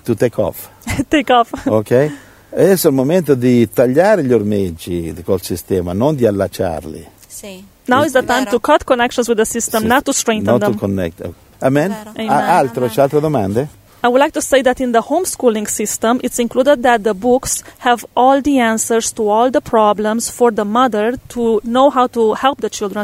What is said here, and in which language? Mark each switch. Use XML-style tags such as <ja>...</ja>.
<en>To take off. Take off. Okay.</en> <it>Adesso è il momento di tagliare gli ormeggi col sistema, non di allacciarli. Sì.</it> <en>Now is the time to cut connections with the system, not to strengthen them. Not to connect.</en> <it>Amen. Altro, c'è altre domande?</it> <en>I would like to say that in the homeschooling system, it's included that the books have all the answers to all the problems for the mother to know how to help the children.</en>